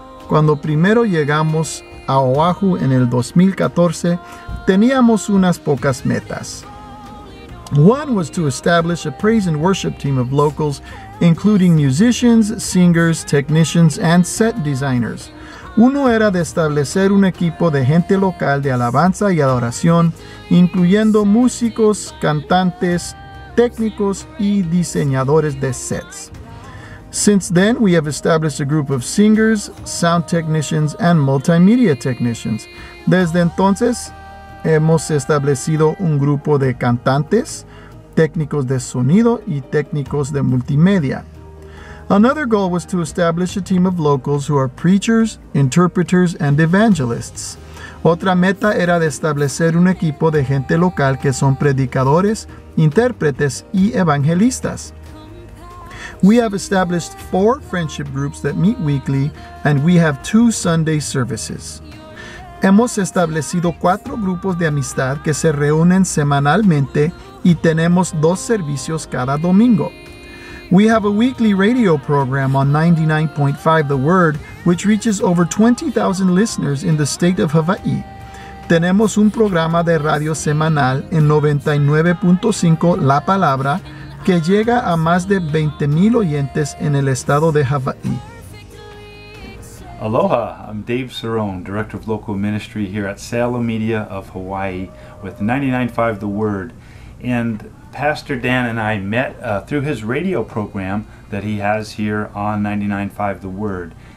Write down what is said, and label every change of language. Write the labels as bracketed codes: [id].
[es] Cuando primero llegamos a Oahu en el 2014, teníamos unas pocas metas. [en] One was to establish a praise and worship team of locals, including musicians, singers, technicians, and set designers. [es] Uno era de establecer un equipo de gente local de alabanza y adoración, incluyendo músicos, cantantes, técnicos, y diseñadores de sets. [en] Since then, we have established a group of singers, sound technicians, and multimedia technicians. [es] Desde entonces, hemos establecido un grupo de cantantes, técnicos de sonido y técnicos de multimedia. [en] Another goal was to establish a team of locals who are preachers, interpreters, and evangelists. [es] Otra meta era de establecer un equipo de gente local que son predicadores, intérpretes, y evangelistas. [en] We have established 4 friendship groups that meet weekly, and we have 2 Sunday services. [es] Hemos establecido 4 grupos de amistad que se reúnen semanalmente y tenemos 2 servicios cada domingo. [en] We have a weekly radio program on 99.5 The Word, which reaches over 20,000 listeners in the state of Hawaii. [es] Tenemos un programa de radio semanal en 99.5 La Palabra, que llega a más de 20,000 oyentes en el estado de Hawaii. [en] Aloha, I'm Dave Cerrone, Director of Local Ministry here at Sala Media of Hawaii with 99.5 The Word. And Pastor Dan and I met through his radio program that he has here on 99.5 The Word.